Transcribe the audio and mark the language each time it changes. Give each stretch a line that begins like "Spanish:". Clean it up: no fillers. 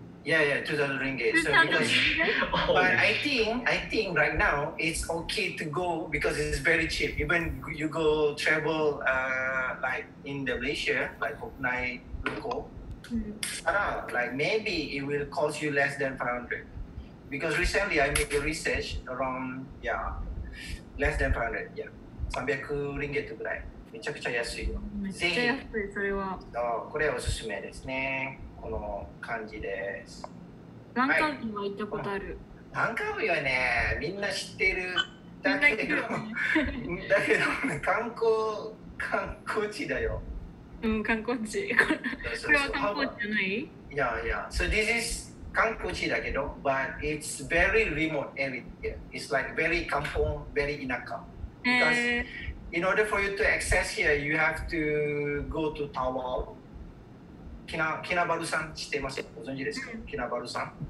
English: yeah 2000 ringgit so because but I think right now it's okay to go because it's very cheap even you go travel like in the Malaysia like overnight local. Like maybe it will cost you less than 500 because recently I made the research around less than 500 300 ringgit
Japanese: ぐらいめちゃくちゃ安いよめっちゃ安いそれはそうこれおすすめですねこの感じです何カービーは行ったことある何カービーはねみんな知ってるだけど、ね、だけど、ね、観光地だようん、観光地。これは観光地じゃない？いやいや。
English: So this is 観光地
Japanese: だけど、
English: but it's very remote area. It's like very kampong, very 田舎。Because in order for you to access here, you have to go to Tawau.
Japanese: Kinabalu-san 知ってます？ご存知ですか？Kinabalu-san。